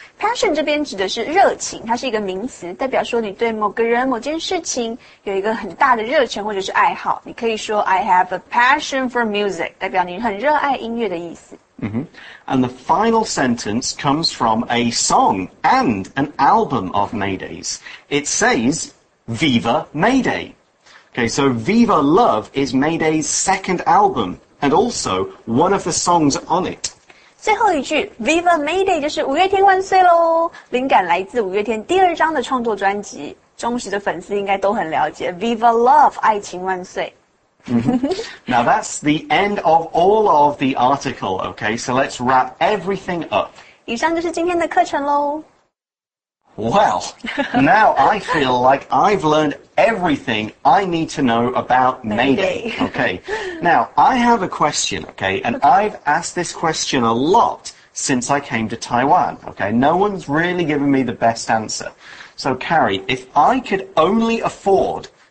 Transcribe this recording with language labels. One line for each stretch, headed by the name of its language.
Chinese: passion 这边指的是热情，它是一个名词，代表说你对某个人、某件事情有一个很大的热忱或者是爱好。你可以说
English: I have a passion for music，
Chinese: 代表你很热爱音乐的意思。
English: And the final sentence comes from a song and an album of Mayday's. It says, Viva Mayday. Okay, so Viva Love is Mayday's second album and also one of the songs on it.
Chinese: 最后一句 Viva Mayday 就是五月天万岁咯，灵感来自五月天第二张的创作专辑，忠实的粉丝应该都很了解 Viva Love 爱情万岁。
English: Now that's the end of all of the article, okay? So let's wrap everything up.
Chinese: 以上就是今天的课程咯。
English: Well, now I feel like I've learned everything I need to know about Mayday. Okay, now I have a question, okay? And I've asked this question a lot since I came to Taiwan, okay? No one's really given me the best answer. So Carrie, if I could only afford...